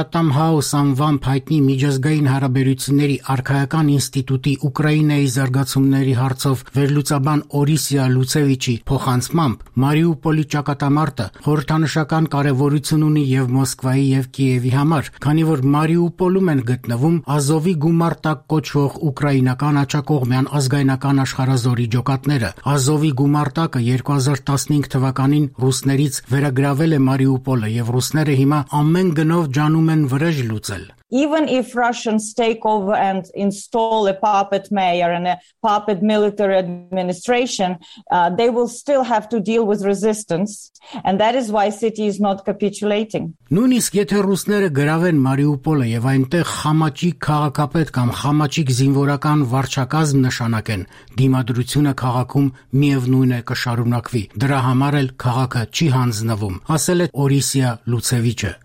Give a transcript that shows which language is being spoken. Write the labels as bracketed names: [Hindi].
[Armenian] Chatham House անվամբ հայտնի միջազգային հարաբերությունների արքայական ինստիտուտի Ուկրաինայի զարգացումների հարցով վերլուծաբան Օրիսիա Լուցևիչի փոխանցմամբ Մարիուպոլի ճակատամարտը խորհրդանշական կարևորություն ունի եւ Մոսկվայի եւ Կիևի համար, քանի որ Մարիուպոլում են գտնվում Ազովի գումար տակ կոչվող ուկրաինական աջակողմյան ազգայնական աշխարազորի ջոկատները։ Ազովի գումար տակը 2015 թվականին ռուսներից վերագրավել է Մարիուպոլը եւ ռուսները հիմա ամեն գնով ջանում են վրեժ լուծել։ [English] Even if Russians take over and install a puppet mayor and a puppet military administration, they will still have to deal with resistance, and that is why city is not capitulating. [Armenian] Նույնիսկ եթե ռուսները գրավեն Մարիուպոլը եւ այնտեղ խամաճիկ քաղաքապետ կամ խամաճիկ զինվորական վարչակազմ նշանակեն, դիմադրությունը քաղաքում միևնույն է կշարունակվի։ Դրա համար էլ քաղաքը չի հանձնվում, ասել է Օրիսիա Լուցևիչը։